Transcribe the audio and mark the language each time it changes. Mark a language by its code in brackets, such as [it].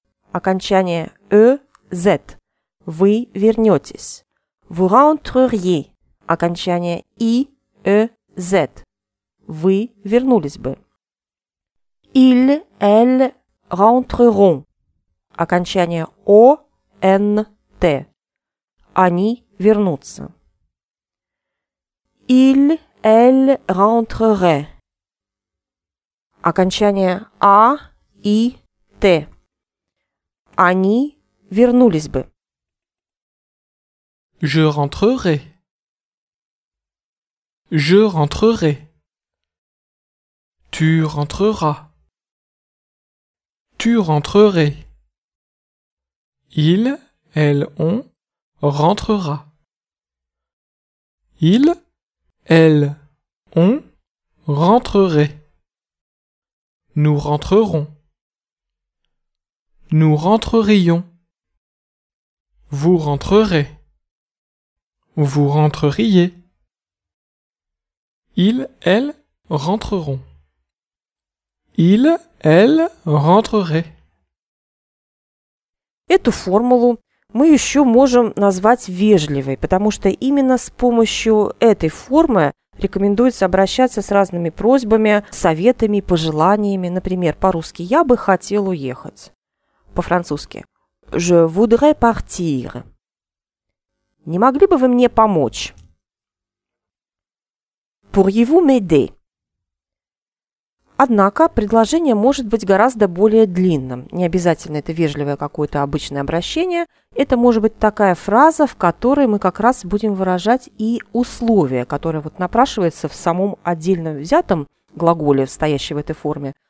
[ru] Окончание «e», «z». Вы вернетесь. «Vous rentreriez». Окончание «i», «e», «z». Вы вернулись бы. «Il», «elle», «rentreront». Окончание «о», «н», «т». они вернутся. [fr] Ils, elles rentreraient. [ru] Окончание «а», «и», «т». Они вернулись бы. [fr] Je rentrerai. Je rentrerai. Tu rentreras. Tu rentrerais. Il, elle, on rentrera. Il, elle, on rentrerait. Nous rentrerons. Nous rentrerions. Vous rentrerez. Vous rentreriez. Ils, elles rentreront. Ils, elles rentreraient. [ru] Эту формулу мы еще можем назвать вежливой, потому что именно с помощью этой формы рекомендуется обращаться с разными просьбами, советами, пожеланиями. Например, по-русски «я бы хотел уехать». [fr] По-французски «je voudrais partir». [ru] Не могли бы вы мне помочь? [fr] Pourriez-vous m'aider? [ru] Однако предложение может быть гораздо более длинным. Не обязательно это вежливое какое-то обычное обращение. Это может быть такая фраза, в которой мы как раз будем выражать и условие, которое вот напрашивается в самом отдельно взятом глаголе, стоящем в этой форме.